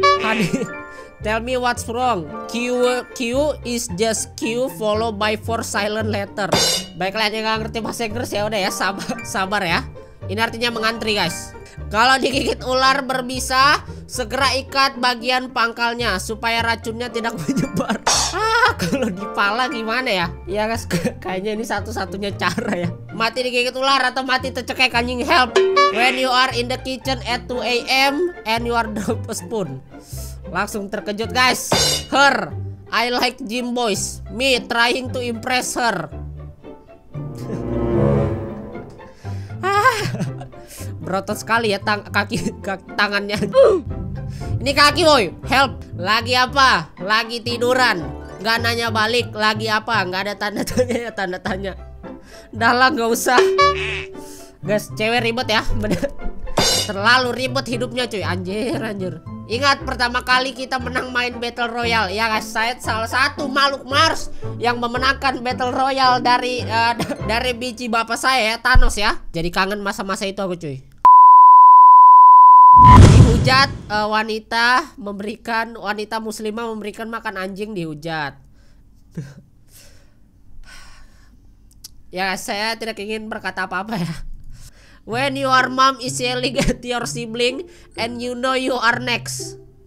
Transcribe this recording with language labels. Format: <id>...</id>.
<en>Honey, tell me what's wrong. Q is just Q followed by 4 silent letter.</en> <id>Baiklah, yang gak ngerti bahasa Inggris ya udah ya, sabar ya. Ini artinya mengantri guys. Kalau digigit ular berbisa, segera ikat bagian pangkalnya supaya racunnya tidak menyebar. Kalau di pala gimana ya? Ya guys, kayaknya ini satu-satunya cara ya. Mati digigit ular atau mati tercekik anjing, help.</id> <en>When you are in the kitchen at 2 AM and you are drop a spoon.</en> <id>Langsung terkejut guys.</id> <en>Her, I like gym boys. Me trying to impress her.</en> <id>Berotot sekali ya tangannya. Ini kaki boy, help. Lagi apa? Lagi tiduran. Gak nanya balik, lagi apa? Gak ada tanda tanya ya, tanda tanya. Dah lah, gak usah. Guys, cewek ribet ya. Terlalu ribet hidupnya cuy. Anjir, anjir. Ingat pertama kali kita menang main Battle Royale. Ya guys, saya salah satu makhluk Mars yang memenangkan Battle Royale dari biji bapak saya ya, Thanos ya. Jadi kangen masa-masa itu aku cuy. Dihujat wanita memberikan, wanita muslimah memberikan makan anjing, dihujat. Ya saya tidak ingin berkata apa-apa ya.</id> <en>When your mom is yelling at your sibling and you know you are next.</en>